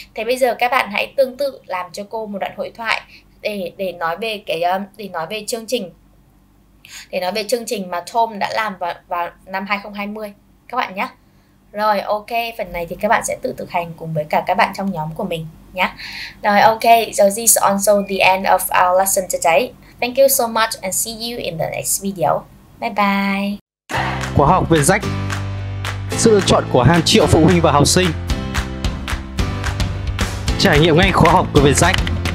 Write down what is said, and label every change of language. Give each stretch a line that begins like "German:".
Vietnamese: Thế bây giờ các bạn hãy tương tự làm cho cô một đoạn hội thoại để nói về cái để nói về chương trình. Để nói về chương trình mà Tom đã làm vào năm 2020 các bạn nhé. Rồi ok, phần này thì các bạn sẽ tự thực hành cùng với cả các bạn trong nhóm của mình nhé. Rồi
English: ok, so this is also the end of our lesson today. Thank you so much and see you in the next video. Bye bye.
Vietnamese: Khóa học Việt Rách, sự lựa chọn của hàng triệu phụ huynh và học sinh. Trải nghiệm ngay khóa học của Việt Rách.